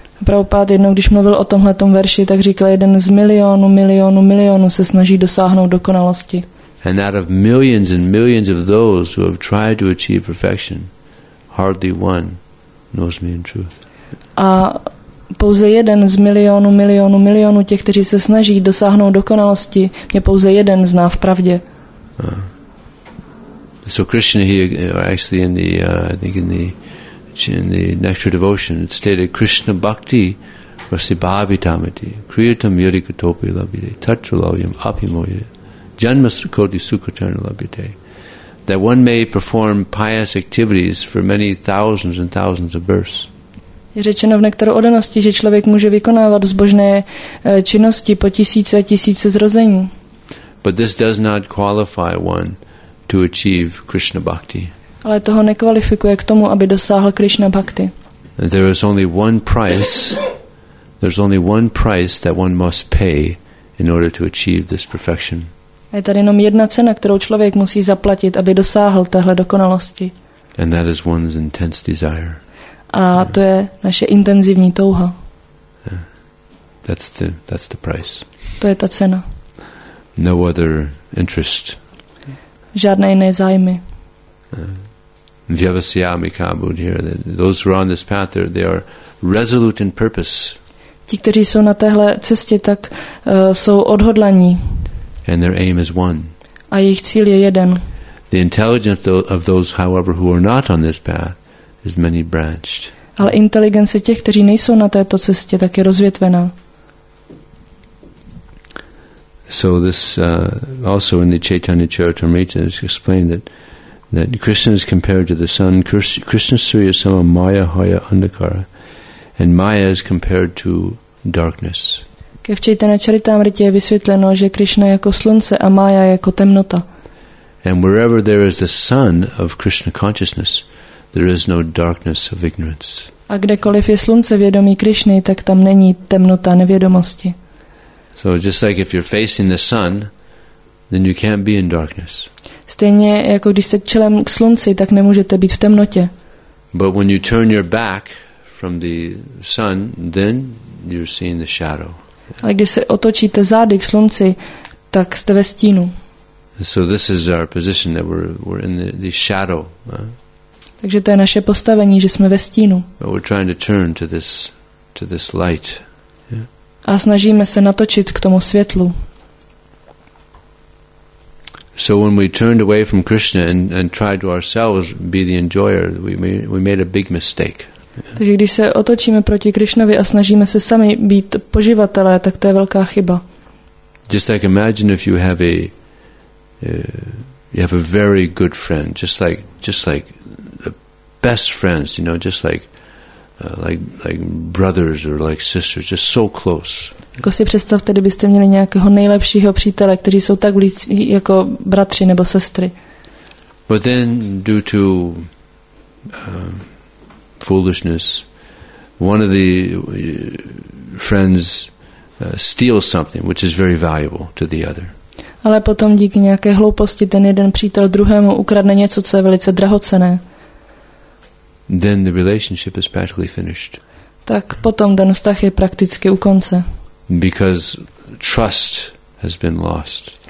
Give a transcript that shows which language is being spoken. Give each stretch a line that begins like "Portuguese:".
Czech: Prabhupada jednou, když mluvil o tomhletom verši, tak říkal, jeden z milionů, milionů, milionů se snaží dosáhnout dokonalosti.
English: And out of millions and millions of those who have tried to achieve perfection, hardly one knows me in truth.
Czech: A pouze jeden z milionů, milionů, milionů těch, kteří se snaží dosáhnout dokonalosti, mě pouze jeden zná v pravdě.
English: So Krishna here, actually in the, I think in the Nectar Devotion, it stated,
Sanskrit: Krishna Bhakti Rasi Bhavitamiti Kriyatam Yari Katopi Labhite Tatra Lavyam Apimoye Janmasukoti Sukhatana Labhite.
English: That one may perform pious activities for many thousands and thousands of births.
Czech: Je řečeno v Nektaru odanosti, že člověk může vykonávat zbožné činnosti po tisíce a tisíce zrození.
English: But this does not qualify one to achieve Krishna bhakti.
Czech: Ale toho nekvalifikuje k tomu, aby dosáhl Krishna bhakti.
English: There is only one price. There's only one price that one must pay in order to achieve this perfection.
Czech: Je tady jenom jedna cena, kterou člověk musí zaplatit, aby dosáhl téhle dokonalosti.
English: And that is one's intense desire.
Czech: A to je naše intenzivní touha.
English: Yeah. That's the price.
Czech: To je ta cena.
English: No other interest.
Czech: Žádné jiné zájmy.
Sanskrit: Vyavasyami kābhūd here.
English: Those who are on this path, they are resolute in purpose.
Czech: Ti, kteří jsou na téhle cestě, tak jsou odhodlaní.
English: And their aim is one.
Czech: A jejich cíl je jeden.
English: The intelligence of those, however, who are not on this path, is many branched.
Czech: Ale inteligence těch, kteří nejsou na této cestě, tak je rozvětvená.
English: So this also in the Chaitanya Charitamrita is explained that Krishna is compared to the sun.
Sanskrit: Krishna Surya Sama Maya Haya Andhakara,
English: And Maya is compared to darkness.
Czech: Ke v Chaitanya Charitamrite je vysvětleno, že Krishna jako slunce a Maya jako temnota.
English: And wherever there is the sun of Krishna consciousness, there is no darkness of ignorance.
Czech: A kdekoliv je slunce vědomí Krishny, tak tam není temnota nevědomosti.
English: So just like if you're facing the sun, then you can't be in darkness.
Czech: Stejně jako když jste čelem k slunci, tak nemůžete být v temnotě.
English: But when you turn your back from the sun, then you're seeing the shadow.
Czech: A když se otočíte zády k slunci, tak jste ve stínu.
English: So this is our position that we're in the shadow.
Czech: Takže to je naše postavení, že jsme ve stínu.
English: But we're trying to turn to this light.
Czech: A snažíme se natočit k tomu světlu.
English: So when we turned away from Krishna and tried to ourselves be the enjoyer, we made a big mistake.
Czech: Takže když se otočíme proti Krishnovi a snažíme se sami být poživatelé, tak to je velká chyba.
English: Just like imagine if you have a very good friend, just like the best friends, you know, just like brothers or like sisters, just so close.
Czech: Jako si představte, kdybyste měli nějakého nejlepšího přítele, kteří jsou tak blízcí jako bratři nebo sestry.
English: But then due to foolishness, one of the friends steals something which is very valuable to the other.
Czech: Ale potom díky nějaké hlouposti ten jeden přítel druhému ukradne něco, co je velice drahocenné.
English: Then the relationship is practically finished.
Czech: Tak potom ten vztah je prakticky u konce.
English: Because trust has been lost.